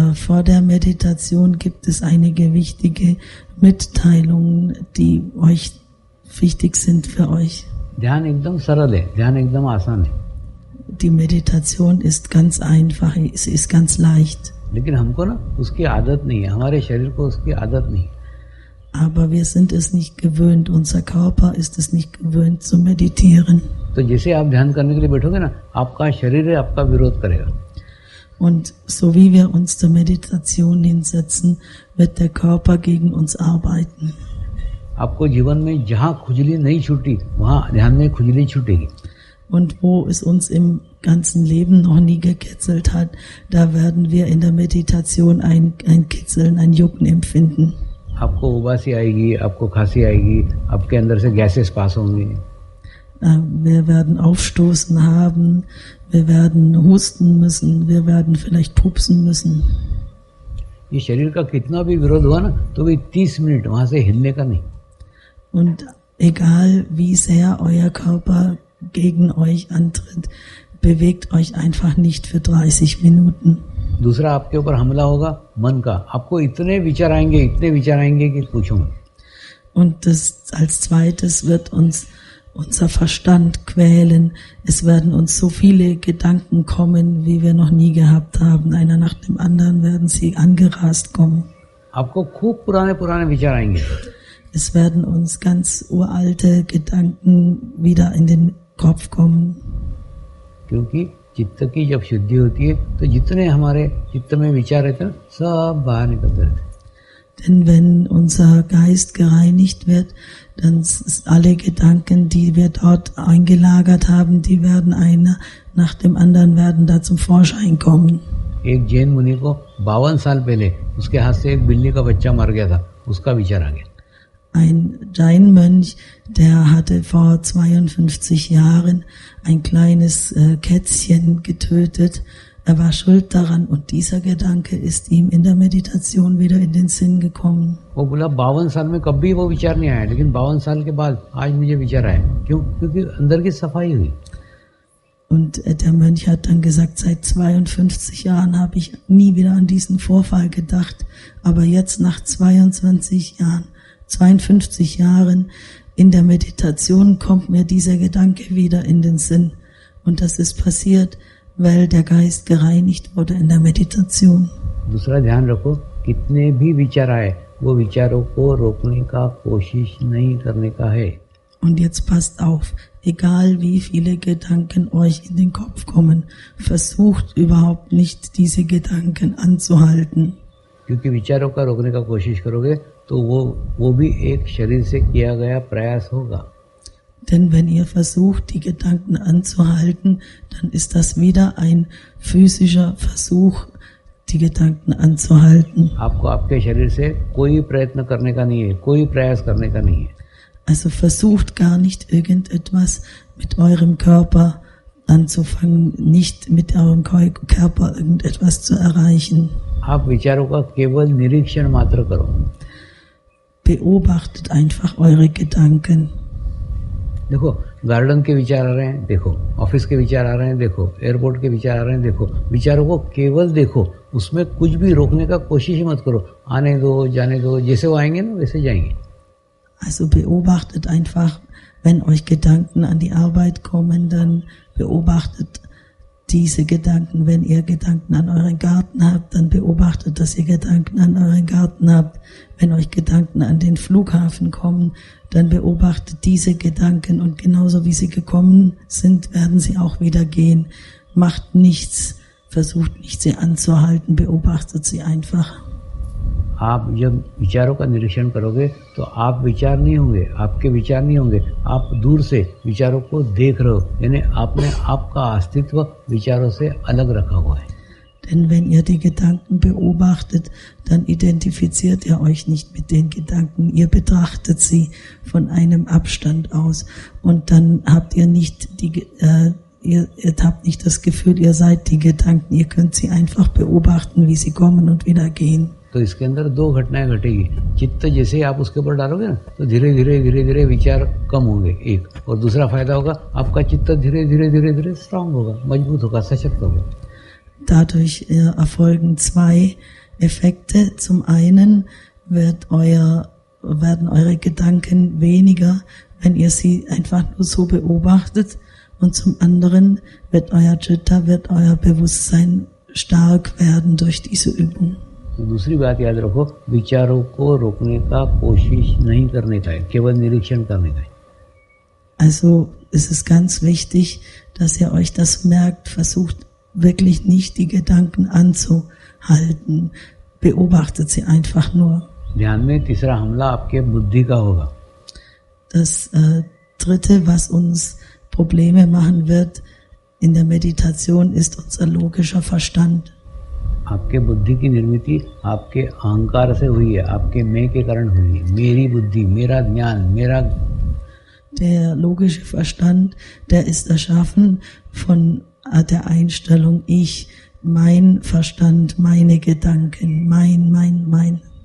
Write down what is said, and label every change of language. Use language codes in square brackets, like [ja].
[de] vor der Meditation gibt es einige wichtige Mitteilungen, die euch wichtig sind für euch. [hi] ध्यान एकदम सरल है, ध्यान एकदम आसान है. [de] die Meditation ist ganz einfach, sie ist ganz leicht. [hi] लेकिन हमको ना उसकी आदत नहीं है हमारे शरीर को उसकी आदत नहीं [de] aber wir sind es nicht gewöhnt unser Körper ist es nicht gewöhnt zu meditieren [hi] तो जैसे आप ध्यान करने के लिए बैठोगे ना आपका शरीर आपका विरोध करेगा [de] und so wie wir uns zur Meditation hinsetzen wird der Körper gegen uns arbeiten [hi] आपको जीवन में जहां खुजली नहीं छूटी वहां ध्यान में खुजली छूटेगी [de] Und wo es uns im ganzen Leben noch nie gekitzelt hat, da werden wir in der Meditation ein Kitzeln, ein Jucken empfinden. [hi] आपको उबासी आएगी, आपको खांसी आएगी, आपके अंदर से गैसेस पास होंगी. [de] Wir werden Aufstoßen haben, wir werden husten müssen, wir werden vielleicht pupsen müssen. [hi] ये शरीर का कितना भी विरोध हुआ ना, तो भी 30 मिनट वहाँ से हिलने का नहीं. [de] Und egal wie sehr euer Körper gegen euch antritt, bewegt euch einfach nicht für 30 Minuten. [hi] दूसरा आपके ऊपर हमला होगा मन का. आपको इतने विचार आएंगे कि पूछूंगा. [de] Und das als zweites wird uns unser Verstand quälen. Es werden uns so viele Gedanken kommen, wie wir noch nie gehabt haben. Einer nach dem anderen werden sie angerast kommen. [hi] आपको खूब पुराने विचार आएंगे. [de] Es werden uns ganz uralte Gedanken wieder in den Kopf kommen. [hi] क्योंकि चित्त की जब शुद्धि होती है तो जितने हमारे चित्त में विचार रहते हैं सब बाहर निकलते रहते [de] Denn wenn unser Geist gereinigt wird, dann alle Gedanken, die wir dort eingelagert haben, die werden einer nach dem anderen werden da zum Vorschein kommen. [hi] एक जैन मुनि को 52 साल पहले उसके हाथ से एक बिल्ली का बच्चा मर गया था उसका विचार आ गया [de] Ein Jain-Mönch, der hatte vor 52 Jahren ein kleines Kätzchen getötet. Er war schuld daran und dieser Gedanke ist ihm in der Meditation wieder in den Sinn gekommen. Er sagte, 52 Jahre lang hat er nie diesen Gedanken gehabt, aber nach 52 Jahren hat er heute diesen Gedanken gehabt. Warum? Weil er die Reinigung innen hatte. Und der Mönch hat dann gesagt, seit 52 Jahren habe ich nie wieder an diesen Vorfall gedacht, aber jetzt nach 22 Jahren 52 Jahren in der Meditation kommt mir dieser Gedanke wieder in den Sinn. Und das ist passiert, weil der Geist gereinigt wurde in der Meditation. [hi] दूसरा ध्यान रखो, कितने भी विचार आए, वो विचारों को रोकने का कोशिश नहीं करने का है. [de] Und jetzt passt auf, egal wie viele Gedanken euch in den Kopf kommen, versucht überhaupt nicht, diese Gedanken anzuhalten. [hi] क्योंकि विचारों का रोकने का कोशिश करोगे तो वो भी एक शरीर से किया गया प्रयास होगा [de] denn wenn ihr versucht die gedanken anzuhalten dann ist das wieder ein physischer versuch die gedanken anzuhalten [hi] आपको आपके शरीर से कोई प्रयत्न करने का नहीं है कोई प्रयास करने का नहीं है [de] also versucht gar nicht irgendetwas mit eurem körper anzufangen nicht mit eurem körper irgendetwas zu erreichen [hi] आप विचारों का केवल निरीक्षण मात्र करो [de] Beobachtet einfach eure Gedanken. [hi] देखो गार्डन के विचार आ रहे हैं देखो ऑफिस के विचार आ रहे हैं देखो एयरपोर्ट के विचार आ रहे हैं देखो विचारों को केवल देखो उसमें कुछ भी रोकने का कोशिश मत करो आने दो जाने दो जैसे वो आएंगे ना वैसे जाएंगे [de] Also beobachtet einfach, wenn euch Gedanken an die Arbeit kommen, dann beobachtet diese Gedanken, wenn ihr Gedanken an euren Garten habt, dann beobachtet, dass ihr Gedanken an euren Garten habt. Wenn euch Gedanken an den Flughafen kommen, dann beobachtet diese Gedanken und genauso wie sie gekommen sind, werden sie auch wieder gehen. Macht nichts, versucht nicht, sie anzuhalten, beobachtet sie einfach. [hi] आप जब विचारों का निरीक्षण करोगे तो आप विचार नहीं होंगे आपके विचार नहीं होंगे आप दूर से विचारों को देख रहे हो यानी आपने आपका अस्तित्व विचारों से अलग रखा हुआ है [de] Denn wenn ihr die Gedanken beobachtet, dann identifiziert ihr euch nicht mit den Gedanken. Ihr betrachtet sie von einem Abstand aus und dann habt ihr nicht ihr habt nicht das Gefühl, ihr seid die Gedanken. Ihr könnt sie einfach beobachten, wie sie kommen und wieder gehen. [hi] तो इसके अंदर दो घटनाएं घटेगी चित्त जैसे आप उसके ऊपर डालोगे ना तो धीरे धीरे धीरे धीरे विचार कम होंगे एक और दूसरा फायदा होगा आपका चित्त धीरे धीरे धीरे धीरे स्ट्रांग होगा मजबूत होगा सशक्त होगा [de] dadurch erfolgen zwei effekte zum einen werden eure gedanken weniger wenn ihr sie einfach nur so beobachtet Und zum anderen wird euer Chitta, wird euer Bewusstsein stark werden durch diese Übung. [hi] दूसरी बात याद रखो विचारों को रोकने का कोशिश नहीं करने का है केवल निरीक्षण करने का है [de] also es ist ganz wichtig dass ihr euch das merkt versucht wirklich nicht die gedanken anzuhalten beobachtet sie einfach nur [hi] ध्यान में तीसरा हमला आपके बुद्धि का होगा [de] das dritte was uns probleme machen wird in der meditation ist unser logischer verstand [hi] आपके बुद्धि की निर्मिति आपके अहंकार से हुई है आपके मैं के कारण हुई है मेरी बुद्धि मेरा ज्ञान मेरा [de] der logische verstand der ist erschaffen von der einstellung ich mein verstand meine gedanken mein